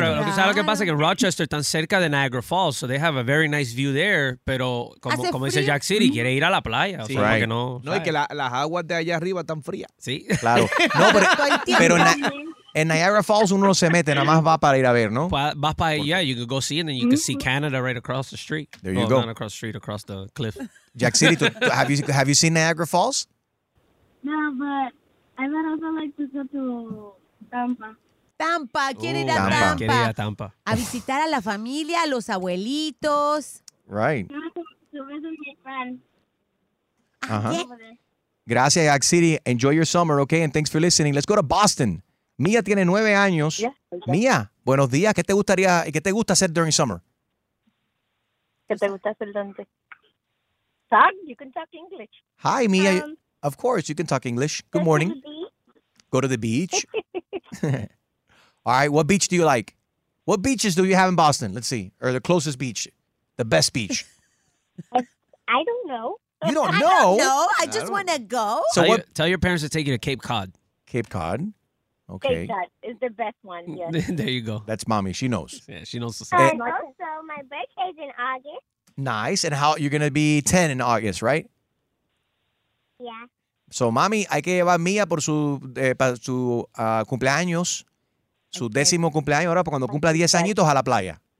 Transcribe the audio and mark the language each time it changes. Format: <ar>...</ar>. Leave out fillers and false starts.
<es>No, pero ¿sabes lo que pasa? Que Rochester está cerca de Niagara Falls,</es> <en>so they have a very nice view there,</en> <es>pero como dice Jack City, quiere ir a la playa. Sí. O sea, right. No, y que las aguas de allá arriba están frías. Sí. Claro. No, pero en Niagara Falls uno no se mete, nada más va para ir a ver, ¿no? Vas para allá,</es> <en>you can go see, and then you can see Canada right across the street. There you go. Not across the street, across the cliff. Jack City, have you seen Niagara Falls? No, but I would also like to go to... Tampa.</en> <es>Quiere ir a Tampa. A visitar a la familia, a los abuelitos.</es> <en>Right. Uh-huh.</en> <es>Gracias, Jack City.</es> <en>Enjoy your summer, okay? And thanks for listening. Let's go to Boston.</en> <es>Mia tiene 9 años.</es> <en>Yeah, okay.</en> <es>Mia, buenos días. ¿Qué te gustaría y qué te gusta hacer</es> <en>during summer?</en> <es>¿Qué te gusta hacer donde?</es> <en>You can talk English. Hi, Mia. Of course, you can talk English. Good morning. Go to the beach. All right. What beach do you like? What beaches do you have in Boston? Let's see. Or the closest beach. The best beach. I don't know. You don't know? I don't know. I just want to go. So tell your parents to take you to Cape Cod. Cape Cod. Okay. Cape Cod is the best one. Yes. There you go. That's mommy. She knows. Yeah, she knows. And also, my birthday's in August. Nice. And how you're going to be 10 in August, right? Yeah.</en> <es>So, mami, hay que llevar Mia por su cumpleaños, su décimo cumpleaños, ahora cuando cumpla 10 añitos a la playa.</es>